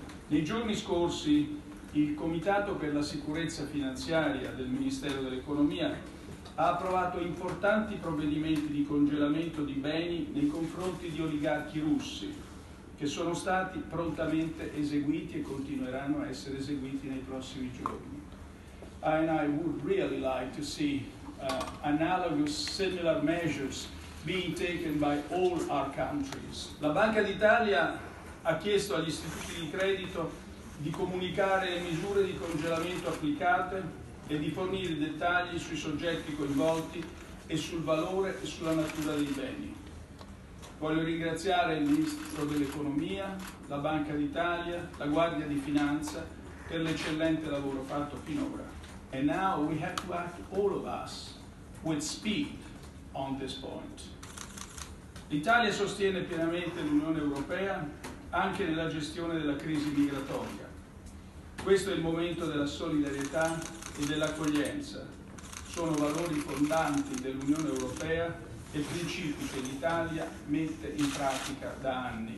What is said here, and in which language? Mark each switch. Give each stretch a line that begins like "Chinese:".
Italian: Nei giorni scorsi il Comitato per la Sicurezza Finanziaria del Ministero dell'Economia ha approvato importanti provvedimenti di congelamento di beni nei confronti di oligarchi russi, che sono stati prontamente eseguiti e continueranno a essere eseguiti nei prossimi giorni.
English: And I would really like to see analogous, similar measures being taken by all our countries.
Italian: La Banca d'Italia ha chiesto agli istituti di credito di comunicare le misure di congelamento applicate e di fornire dettagli sui soggetti coinvolti e sul valore e sulla natura dei beni. Voglio ringraziare il Ministro dell'Economia, la Banca d'Italia, la Guardia di Finanza per l'eccellente lavoro fatto finora.
English: And now we have to act, all of us, with speed on this point.
Italian: L'Italia sostiene pienamente l'Unione Europea anche nella gestione della crisi migratoria. Questo è il momento della solidarietà e dell'accoglienza. Sono valori fondanti dell'Unione Europea e principi che l'Italia mette in pratica da anni.